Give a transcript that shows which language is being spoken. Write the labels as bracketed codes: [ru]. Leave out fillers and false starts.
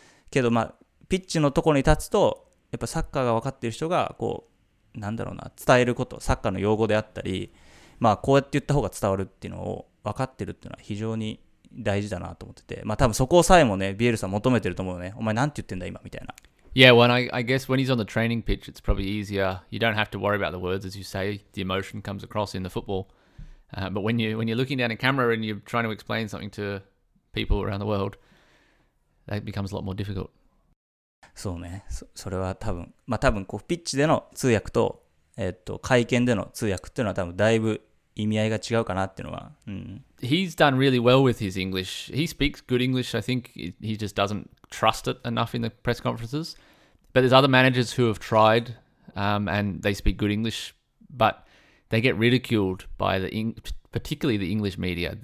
[ja] けど、まあ、ピッチのところに立つとやっぱサッカーが分かっている人がこう、なんだろうな、伝えること、サッカーの用語であったり、まあ、こうやって言った方が伝わるっていうのを分かってるっていうのは非常に大事だなと思ってて、まあ多分そこさえもね、ビエルさん求めてると思うよね。お前なんて言ってんだ今みたいな。 [en] Yeah, when I guess when he's on the training pitch, it's probably easier. You don't have to worry about the words, as you say. The emotion comes across in the football. But when you're looking down a camera and you're trying to explain something to people around the world, that becomes a lot more difficult. [ja] そうね。それは多分、まあ多分こうピッチでの通訳と、会見での通訳っていうのは多分だいぶ意味合いが違うかなっていうのは、 [en] うん、He's done really well with his English. He speaks good English. I think he just doesn't trust it enough in the press conferences. But there's other managers who have tried, and they speak good English, but they get ridiculed by particularly the English media.